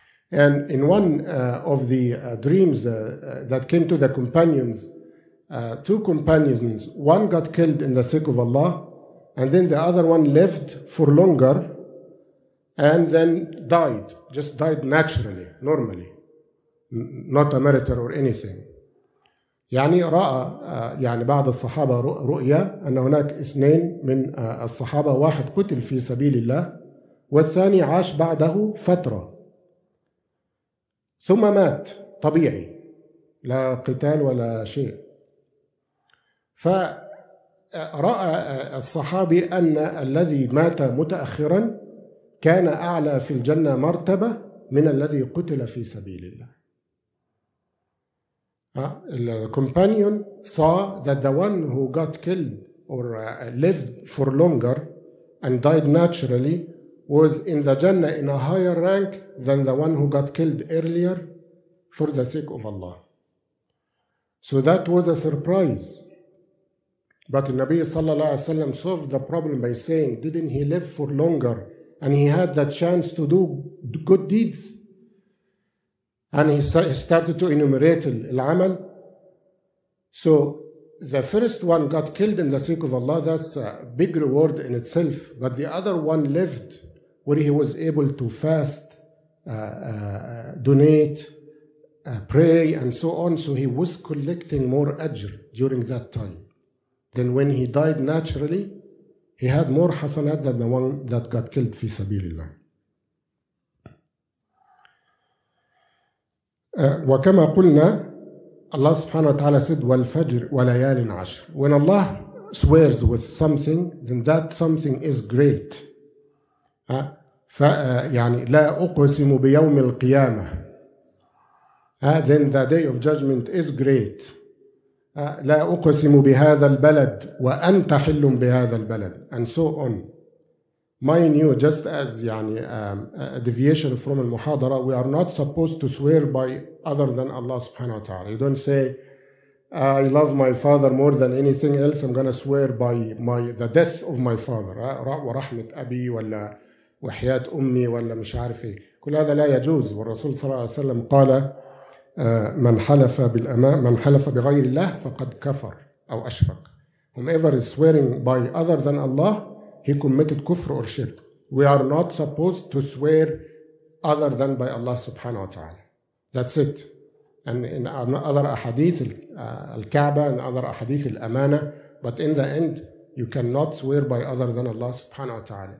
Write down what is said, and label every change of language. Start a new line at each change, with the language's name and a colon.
English: And in one of the dreams that came to the companions, two companions, one got killed in the sake of Allah, and then the other one lived for longer, and then died, just died naturally, normally, not a martyr or anything.
Arabic: يعني رأى يعني بعض الصحابة رؤيا أن هناك اثنين من الصحابة واحد قتل في سبيل الله والثاني عاش بعده فترة ثم مات طبيعي لا قتال ولا شيء. فرأى الصحابي أن الذي مات متأخرا كان أعلى في الجنة مرتبة من الذي قتل في سبيل الله.
English: The companion saw that the one who got killed or lived for longer and died naturally was in the Jannah in a higher rank than the one who got killed earlier for the sake of Allah. So that was a surprise. But the Nabi sallallahu alayhi wa sallam solved the problem by saying, didn't he live for longer and he had the chance to do good deeds? And he started to enumerate al-amal. So the first one got killed in the sake of Allah, that's a big reward in itself. But the other one lived where he was able to fast, donate, pray, and so on. So he was collecting more ajr during that time. Then when he died naturally, he had more hasanat than the one that got killed fi sabilillah.
Arabic: وكما قلنا الله سبحانه وتعالى
English: said
Arabic: والفجر وليال عشر.
English: When Allah swears with something then that something is great.
Arabic: يعني لا أقسم بيوم القيامة.
English: Then the day of judgment is great.
Arabic: لا أقسم بهذا البلد وأنت حل بهذا البلد
English: and so on. Mind you, just as يعني, a deviation from المحاضرة, we are not supposed to swear by other than Allah subhanahu wa ta'ala. You don't say, I love my father more than anything else, I'm going to swear by the death of my father.
Arabic: ورحمة أبي ولا وحياة أمي ولا مش عارفه. كل هذا لا يجوز. والرسول صلى الله عليه وسلم قال, من حلف بغير الله فقد كفر أو أشرك.
English: Whomever is swearing by other than Allah, he committed kufr or shirk. We are not supposed to swear other than by Allah subhanahu wa ta'ala. That's it. And in other ahadith, al-Kaaba, and other ahadith, al-Amana, but in the end, you cannot swear by other than Allah subhanahu wa ta'ala.